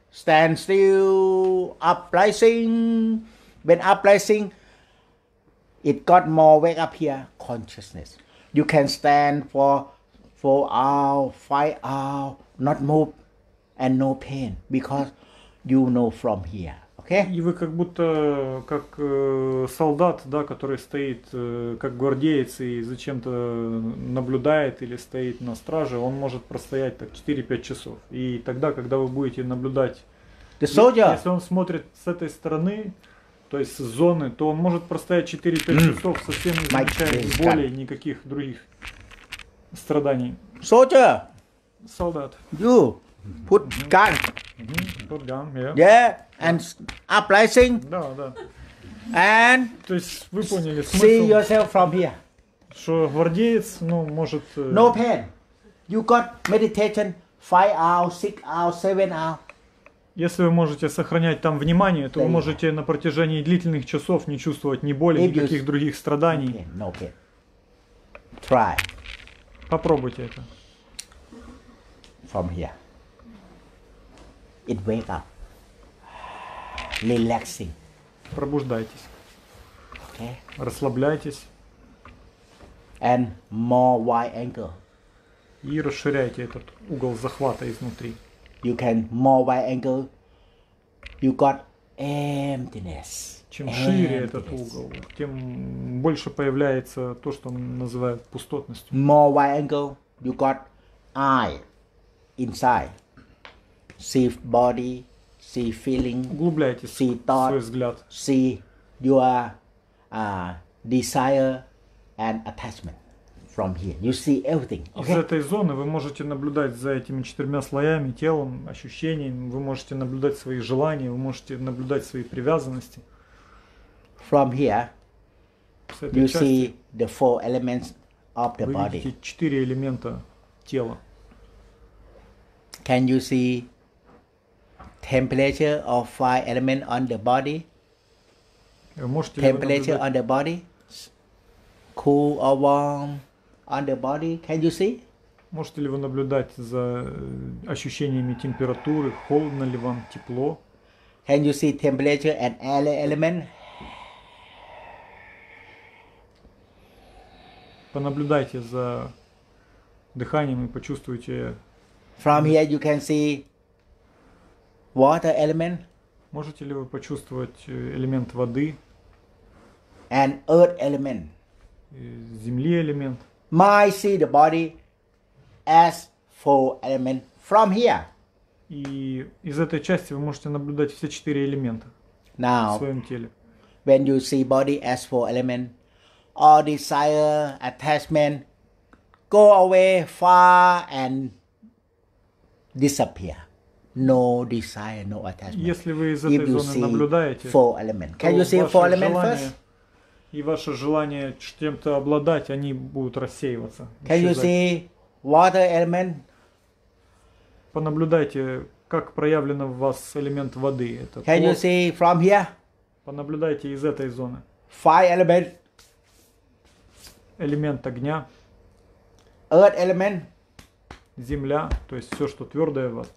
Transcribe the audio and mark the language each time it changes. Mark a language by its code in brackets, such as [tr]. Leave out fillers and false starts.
[en] Stand still, uprising. When uprising, it got more wake up here consciousness. You can stand for 4 hours, 5 hours, not move and no pain because you know from here. Okay? [ru] И вы как будто как солдат, да, который стоит как гвардеец и зачем-то наблюдает или стоит на страже, он может простоять так 4-5 часов. И тогда, когда вы будете наблюдать, [en] the soldier, [ru] если он смотрит с этой стороны, то есть с зоны, то он может простоять 4-5 часов, совсем не замечая боли, никаких других страданий. [en] Soldier! [ru] Солдат. [en] You put gun. Mm-hmm. Put gun, yeah. Yeah, and uprising. [ru] Да, да. [en] And [ru] то есть вы поняли смысл. [en] See yourself from here. [ru] Что гвардеец, может... [en] No pain. You got meditation 5 hours, 6 hours, 7 hours. [ru] Если вы можете сохранять там внимание, то вы можете на протяжении длительных часов не чувствовать ни боли, никаких других страданий. [en] No pain. Try. [ru] Попробуйте это. [en] From here. It wake up. Relaxing. [ru] Пробуждайтесь. [en] Okay. [ru] Расслабляйтесь. [en] And more wide angle. [ru] И расширяйте этот угол захвата изнутри. [en] You can more wide angle. You got emptiness. [ru] Чем шире этот угол, тем больше появляется то, что называют пустотностью. [en] More wide angle, you got eye inside. See body, see feeling. [ru] Углубляйте [en] see thought, [ru] свой взгляд. [en] See your desire and attachment. From here, you see everything. Okay. [ru] Из этой зоны вы можете наблюдать за этими четырьмя слоями телом, ощущениями. Вы можете наблюдать свои желания, вы можете наблюдать свои привязанности. [en] From here, you see the four elements of the body. [ru] Вы видите четыре элемента тела. [en] Can you see temperature of five elements on the body? [ru] Вы можете [en] temperature on the body, cool or warm? On the body, can you see? [ru] Можете ли вы наблюдать за ощущениями температуры, холодно ли вам, тепло? [en] Can you see temperature and air element? [ru] Понаблюдайте за дыханием и почувствуйте. [en] From here you can see water element. [ru] Можете ли вы почувствовать элемент воды? [en] And earth element. [ru] Земли элемент. [en] My see the body as four element from here. [ru] И из этой части вы можете наблюдать все четыре элемента [en] now, [ru] в своем теле. [en] When you see body as four element, all desire, attachment go away far and disappear. No desire, no attachment. [ru] Если вы из этой зоны наблюдаете [en] four element, can you see four element first? [ru] И ваше желание чем-то обладать, они будут рассеиваться. [en] Can you see water element? [ru] Понаблюдайте, как проявлен в вас элемент воды. Это [en] can you see from here? [ru] Понаблюдайте из этой зоны. [en] Fire element. [ru] Элемент огня. [en] Earth element. [ru] Земля, то есть все, что твердое в вас.